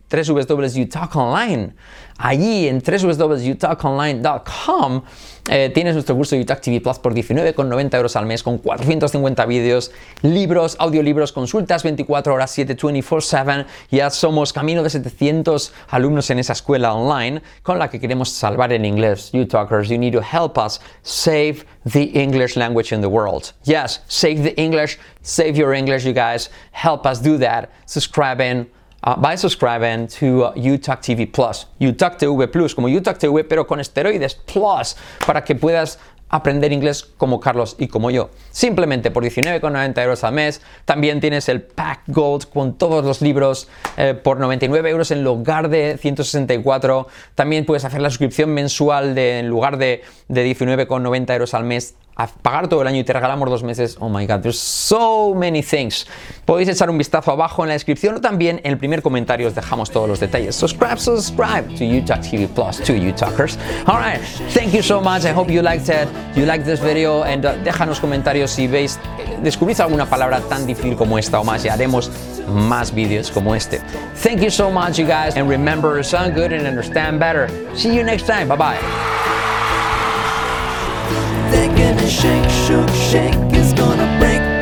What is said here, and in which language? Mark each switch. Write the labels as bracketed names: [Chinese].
[Spanish] www.youtalkonline. Allí en www.youtalkonline.com tienes nuestro curso YouTalk TV Plus por 19,90€ al mes con 450 vídeos, libros, audiolibros, consultas 24 horas 7, 24/7. Ya somos camino de 700 alumnos en esa escuela online con la que queremos salvar el inglés. [English] YouTalkers, you need to help us save the English language in the world. Yes, save the English, save your English, you guys. Help us do that. Subscribing. By subscribing to UTalk TV Plus, [Spanish] UTalk TV Plus, como UTalk TV pero con esteroides Plus, para que puedas aprender inglés como Carlos y como yo. Simplemente por 19,90€ al mes. También tienes el Pack Gold con todos los libros por 99€ en lugar de 164. También puedes hacer la suscripción mensual en lugar de 19,90€ al mes. A pagar todo el año y te regalamos 2 meses. [English] Oh my God, there's so many things. [Spanish] Podéis echar un vistazo abajo en la descripción o también en el primer comentario os dejamos todos los detalles. [English] Subscribe to UTalk TV Plus, to UTalkers. All right, thank you so much. I hope you liked it. You liked this video. [Spanish] And déjanos comentarios si veis, descubrís alguna palabra tan difícil como esta o más y haremos más vídeos como este. [English] Thank you so much, you guys. And remember, sound good and understand better. See you next time. Bye-bye. Shake, shook, shake is gonna break.